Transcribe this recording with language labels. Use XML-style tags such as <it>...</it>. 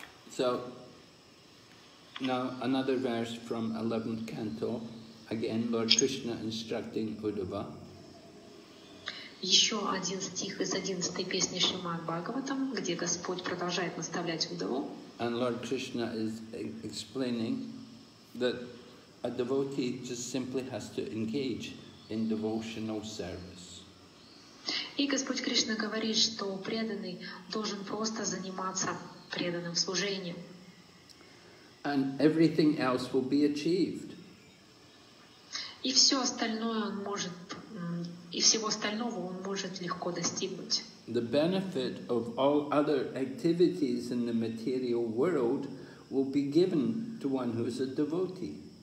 <en>So, now another verse from 11th canto. Again, Lord Krishna instructing Uddhava.</en> <ru>Еще один стих из 11-й песни Шримад Бхагаватам, где Господь продолжает наставлять Удаву.</ru> <en>And Lord Krishna is explaining that a devotee just simply has to engage in devotional service.</en> <ru>И Господь Кришна говорит, что преданный должен просто заниматься преданным служением.</ru> <en>And everything else will be achieved.</en> <ru>И все остальное он может. И всего остального он может легко достигнуть.</ru> <en>The benefit of all other activities in the material world will be given to one who is a devotee.</en>